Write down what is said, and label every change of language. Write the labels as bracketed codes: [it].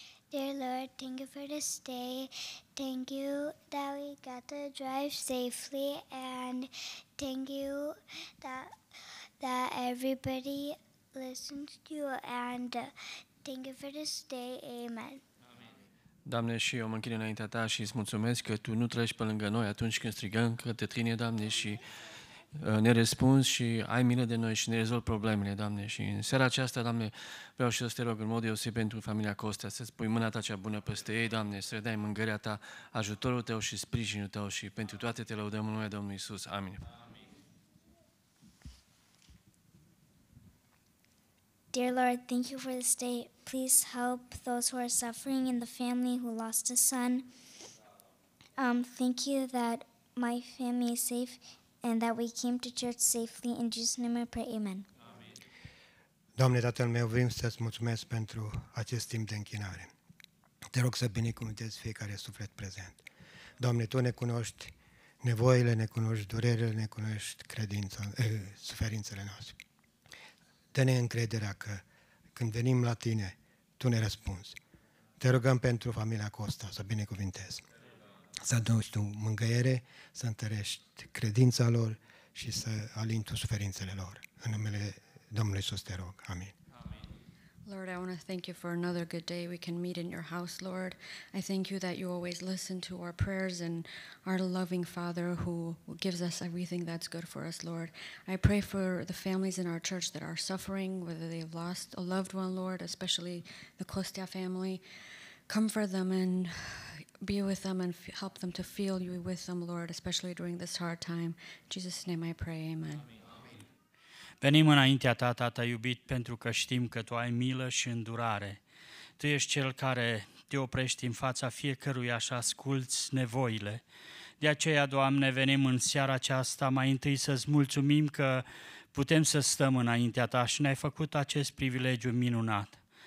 [en] Dear Lord, thank you for this day. Thank you that we got to drive safely, and thank you that everybody listens to you, and thank you for this day. Amen. [ro] Doamne, și eu mă închin înaintea Ta și îți mulțumesc că Tu nu treci pe lângă noi atunci când strigăm către Tine, Doamne, și ne răspunzi și ai milă de noi și ne rezolvi problemele, Doamne. Și în seara aceasta, Doamne, vreau și eu să Te rog în mod deosebit pentru familia Costea, să-ți pui mâna Ta cea bună peste ei, Doamne, să le dai mângâria Ta, ajutorul Tău și sprijinul Tău, și pentru toate Te lăudăm în numele Domnului Iisus. Amin. [en] Dear Lord, thank you for this day. Please help those who are suffering in the family who lost a son. Thank you that my family is safe and that we came to church safely. In Jesus' name I pray, amen. [ro] Doamne, Tatăl meu, vrem să-ți mulțumesc pentru acest timp de închinare. Te rog să binecuvântezi fiecare suflet prezent. Doamne, Tu ne cunoști nevoile, ne cunoști durerile, ne cunoști suferințele noastre. Dă-ne încrederea că când venim la Tine, Tu ne răspunzi. Te rugăm pentru familia Costa să binecuvintezi. Să aduci Tu mângâiere, să întărești credința lor și să alini Tu suferințele lor. În numele Domnului Iisus te rog. Amin. [en] Lord, I want to thank you for another good day we can meet in your house, Lord. I thank you that you always listen to our prayers and our loving Father who gives us everything that's good for us, Lord. I pray for the families in our church that are suffering, whether they have lost a loved one, Lord, especially the Costea family. Comfort them and be with them and help them to feel you with them, Lord, especially during this hard time. In Jesus' name I pray, amen. Amen. [ro] Venim înaintea Ta, Tată iubit, pentru că știm că Tu ai milă și îndurare. Tu ești Cel care Te oprești în fața fiecăruia și asculți nevoile. De aceea, Doamne, venim în seara aceasta mai întâi să-ți mulțumim că putem să stăm înaintea Ta și ne-ai făcut acest privilegiu minunat.